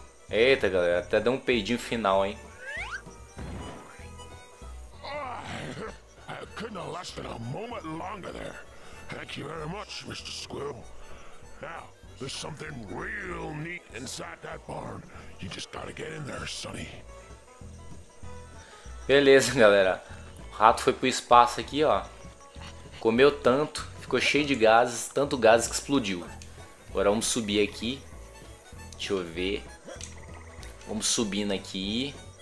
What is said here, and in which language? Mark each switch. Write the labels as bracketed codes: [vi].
[pt] Eita, galera, até deu um peidinho final, hein? [en] Couldn't have lasted a moment longer there. Thank you very much, Mr. Squirrel. Now, there's something real neat inside that barn. You just gotta get in there, Sonny. [pt] Beleza, galera. O rato foi pro espaço aqui, ó. Comeu tanto, ficou cheio de gases, tanto gases que explodiu. Agora vamos subir aqui. Deixa eu ver. Vamos subindo aqui.